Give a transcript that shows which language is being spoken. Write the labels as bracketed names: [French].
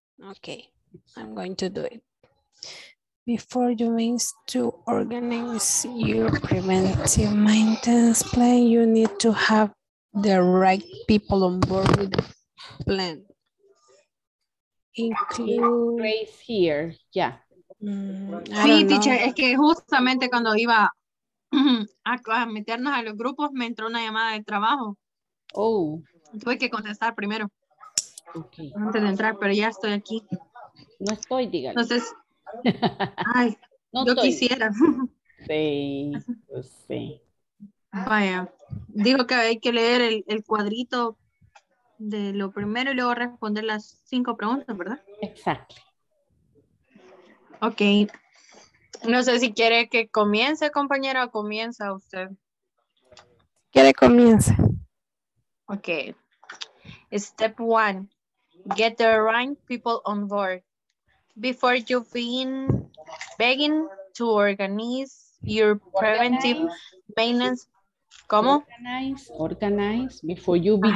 [English] Okay, I'm going to do it. Before you means to organize your preventive maintenance plan, you need to have the right people on board with the plan. Include Grace here, yeah. [Spanish] Sí, teacher, es que justamente cuando iba a meternos a los grupos, me entró una llamada de trabajo. [English] Oh. [Spanish] Tuve que contestar primero. [English] Okay. [Spanish] Antes de entrar, pero ya estoy aquí. No estoy, dígale. Entonces, ay, no yo estoy. Quisiera. Sí, sí. Vaya, digo que hay que leer el cuadrito de lo primero y luego responder las cinco preguntas, ¿verdad? Exacto. Ok. No sé si quiere que comience, compañera, o comienza usted. Quiere comience. Ok. [English] Step one, get the right people on board. Before you begin to organize your preventive maintenance, [Spanish] ¿cómo? [English] Organize, organize, before you begin.